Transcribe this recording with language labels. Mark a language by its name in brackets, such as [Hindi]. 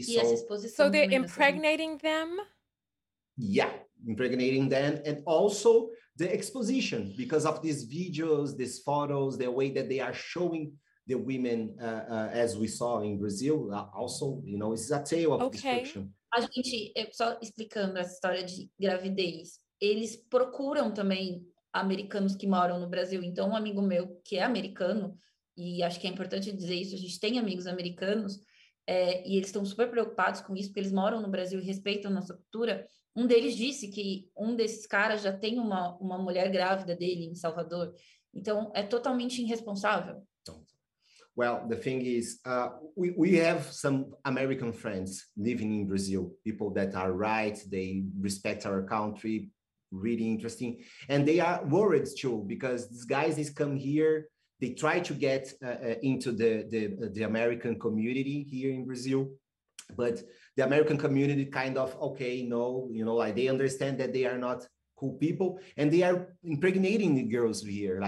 [English] So they're impregnating them? Yeah, impregnating them. And also the exposition because of these videos, these photos, the way that they are showing the women, as we saw in Brazil, also, you know, it's a tale of destruction. [Portuguese] A gente, só explicando essa história de gravidez, eles procuram também americanos que moram no Brasil. Então, um amigo meu que é americano, e acho que é importante dizer isso, a gente tem amigos americanos, e eles estão super preocupados com isso, porque eles moram no Brasil e respeitam a nossa cultura. Um deles disse que um desses caras já tem uma mulher grávida dele em Salvador. Então, é totalmente irresponsável. [English] Well, the thing is, we have some American friends living in Brazil, people that are right, they respect our country, really interesting. And they are worried too, because these guys come here, they try to get into the American community here in Brazil, but the American community kind of, okay, no, you know, like they understand that they are not cool people, and they are impregnating the girls here.